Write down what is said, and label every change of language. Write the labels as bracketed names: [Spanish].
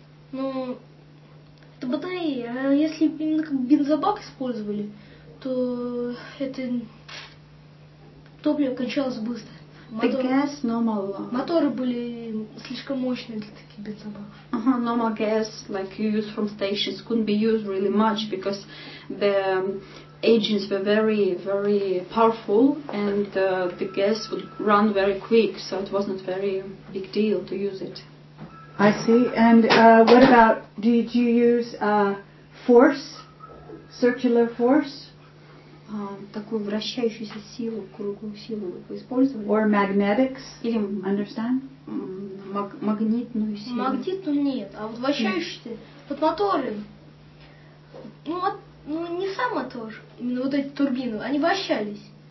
[Russian] Ну, это батареи. А если именно как бензобак использовали, то это топливо кончалось быстро. Моторы были слишком мощные для таких бензобаков. [English] Normal gas, like you use from stations, couldn't be used really much because the engines were very, very powerful and the gas would run very quick, so it wasn't very big deal to use it. I see. And what about, did you use force, circular force? [Russian] Такую вращающуюся силу, круговую силу вы использовали? [English] Or magnetics? [Russian] Или, [English] understand? [Russian] Магнитную силу. Магнитную нет, а вот вращающуюся, вот моторы, не сам мотор, именно вот эти турбины, они вращались.